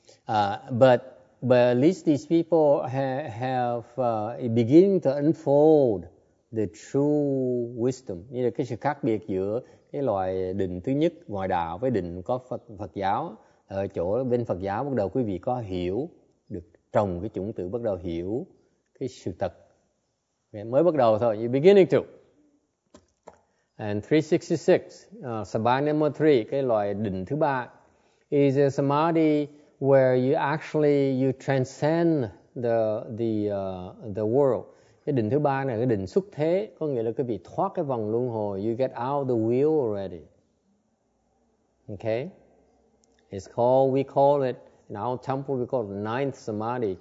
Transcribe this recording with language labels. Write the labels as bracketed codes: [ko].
[en] But at least these people have beginning to unfold the true wisdom. [vi] Như là cái sự khác biệt giữa cái loại định thứ nhất ngoài đạo với định có Phật giáo. Ở chỗ bên Phật giáo bắt đầu quý vị có hiểu, được trồng cái chủng tử, bắt đầu hiểu cái sự thật. Mới bắt đầu thôi, [en] you're beginning to. And 366, Sabha number 3, [vi] cái loại định thứ ba, [en] is a samadhi where you transcend the world. [vi] Cái định thứ ba này là cái định xuất thế, có nghĩa là cái vị thoát cái vòng luân hồi. [en] You get out the wheel already. Okay, it's called, we call it in our temple, we call it ninth samadhi.